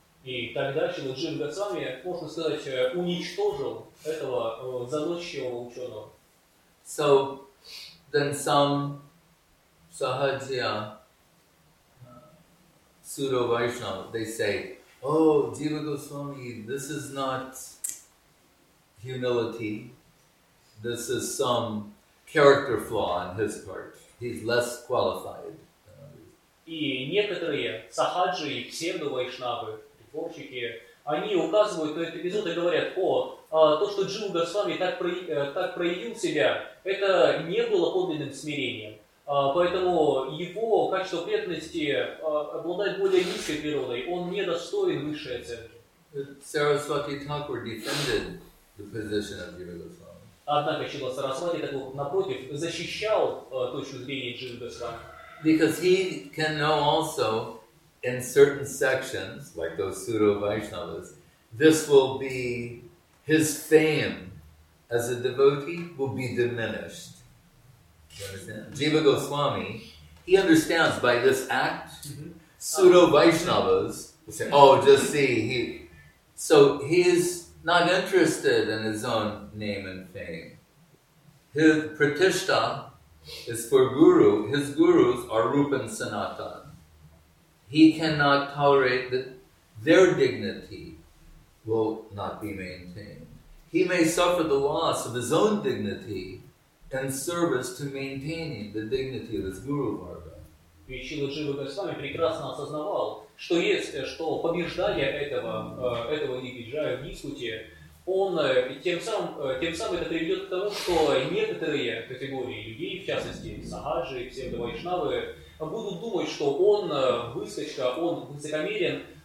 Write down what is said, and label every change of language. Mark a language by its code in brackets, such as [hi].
[ru] И тогда Шрила Джива Госвами, можно сказать, уничтожил этого заносчивого ученого. [en] So then some sahajya pseudo Vaishnava, they say, oh, Jiva Goswami, this is not humility. This is some character flaw on his part. He's less qualified. [ru] И некоторые сахаджи и псевдо-вайшнавы, притворщики, они указывают на этот эпизод и говорят, о, то, что Джива Госвами так проявил себя, это не было подлинным смирением. Поэтому его качество преданности обладает более низкой природой. Он не достоин высшей оценки. [en] Сарасвати Тхакур defended the position of Джива Госвами. [ru] Однако Шрила Сарасвати, напротив, защищал точку зрения Джива Госвами. [en] Because he can know also in certain sections, like those pseudo-Vaishnavas, this will be his fame as a devotee will be diminished. You understand? Jiva Goswami, he understands by this act, pseudo-Vaishnavas will say, oh, just see, he. So he is not interested in his own name and fame. His pratishtha is for guru. His gurus are Rupa and Sanatana. He cannot tolerate that their dignity will not be maintained. He may suffer the loss of his own dignity in service to maintaining the dignity of his guru Varga. [ru] Шрила Джива Госвами прекрасно осознавал, что если что побеждая этого нигиджая в дискуте, он тем самым это приведет к тому, что некоторые категории людей, в частности сахаджи и псевдо-вайшнавы, будут думать, что он выскочка, он высокомерен,